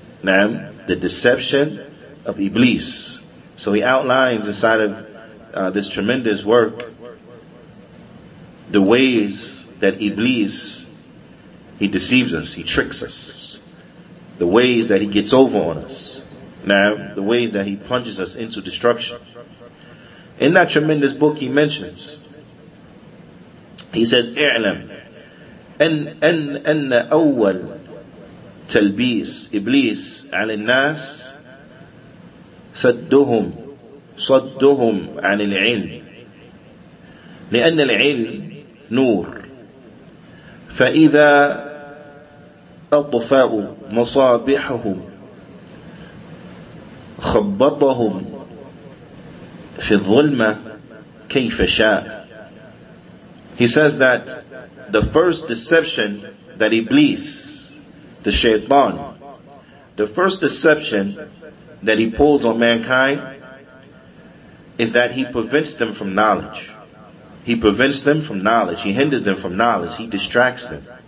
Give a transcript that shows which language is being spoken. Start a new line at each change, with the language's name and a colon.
English: Naam, the deception of Iblis. So he outlines inside of this tremendous work the ways that Iblis, he deceives us, he tricks us. The ways that he gets over on us. Naam, the ways that he plunges us into destruction. In that tremendous book he mentions, he says,
Arabic: اعلم أن أول تلبيس إبليس على الناس صدهم عن العلم لأن العلم نور فإذا أطفأ مصابيحهم خبطهم في الظلمة كيف شاء.
English: He says that the first deception that Iblis, the shaytan, the first deception that he pulls on mankind is that he prevents them from knowledge. He prevents them from knowledge. He hinders them from knowledge. He distracts them.